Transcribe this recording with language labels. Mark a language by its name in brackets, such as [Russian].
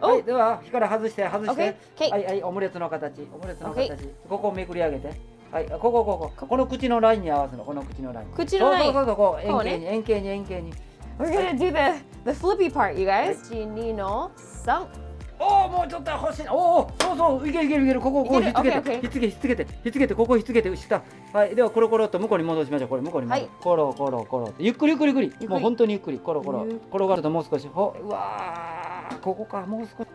[Japanese] はい、では火から外して外して、 [English] okay. [Japanese] はいはい、オムレツの形、オムレツの形、okay. ここをめくり上げて、はい、ここここ こ, この口のラインに合わせるの、この口のライン、口のライン、そうそうそう、こう円形に、円形に、円形に、 [English] We're gonna do the flippy part, you guys. [Japanese] 1、2、3。おお、もうちょっと欲しい。おお、そうそう、いけるいけるいける。ここをこう引っ付けて、引っ付け引っ付けて引っ付けて、ここ引っ付けて下。はい、ではコロコロと向こうに戻しましょう。これ向こうに戻る。コロコロコロ。ゆっくりゆっくりゆっくり。もう本当にゆっくり。コロコロ。転がるともう少し。ほ、うわあ。ここか。もう少し。